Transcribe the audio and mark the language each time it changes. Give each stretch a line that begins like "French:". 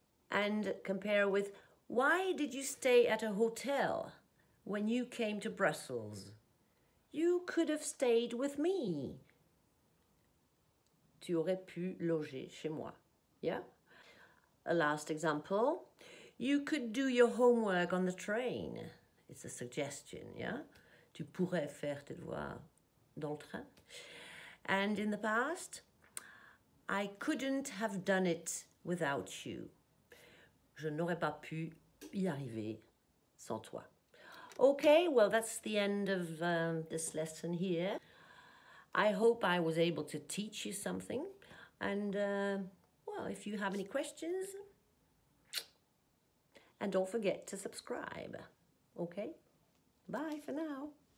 English: And compare with, why did you stay at a hotel when you came to Brussels? You could have stayed with me.
French: Tu aurais pu loger chez moi,
English: yeah? A last example. You could do your homework on the train. It's a suggestion, yeah?
French: Tu pourrais faire tes devoirs dans le train.
English: And in the past, I couldn't have done it without you.
French: Je n'aurais pas pu y arriver sans toi.
English: Okay, well, that's the end of this lesson here. I hope I was able to teach you something. And, well, if you have any questions, and don't forget to subscribe. Okay? Bye for now.